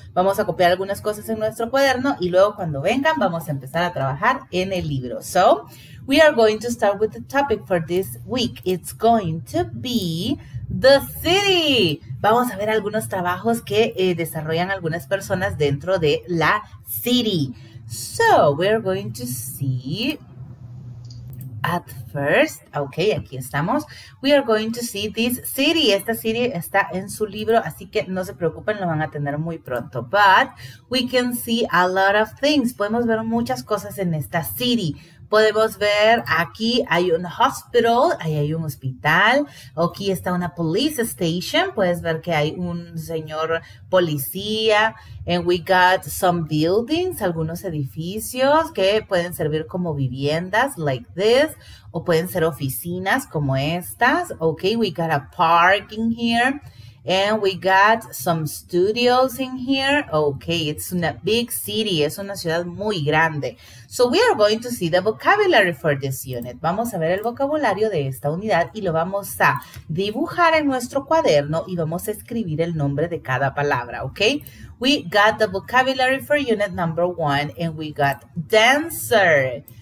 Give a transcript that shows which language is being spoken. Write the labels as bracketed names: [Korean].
[Spanish] Vamos a copiar algunas cosas en nuestro cuaderno y luego cuando vengan vamos a empezar a trabajar en el libro. [English] So we are going to start with the topic for this week. It's going to be the city. [Spanish] Vamos a ver algunos trabajos que desarrollan algunas personas dentro de la city. [English] So, we're going to see at first. Okay, [Spanish] aquí estamos. [English] We are going to see this city. [Spanish] Esta city está en su libro, así que no se preocupen, lo van a tener muy pronto. [English] But we can see a lot of things. [Spanish] Podemos ver muchas cosas en esta city. Podemos ver aquí hay un hospital, ahí hay un hospital. Aquí está una [English] police station. [Spanish] Puedes ver que hay un señor policía. [English] And we got some buildings, [Spanish] algunos edificios que pueden servir como viviendas, [English] like this. [Spanish] O pueden ser oficinas como estas. [English] Okay, we got a park in here. And we got some studios in here. Okay, it's a big city. [Spanish] Es una ciudad muy grande. [English] So we are going to see the vocabulary for this unit. [Spanish] Vamos a ver el vocabulario de esta unidad y lo vamos a dibujar en nuestro cuaderno y vamos a escribir el nombre de cada palabra, okay? [English] We got the vocabulary for unit number one and we got dancer.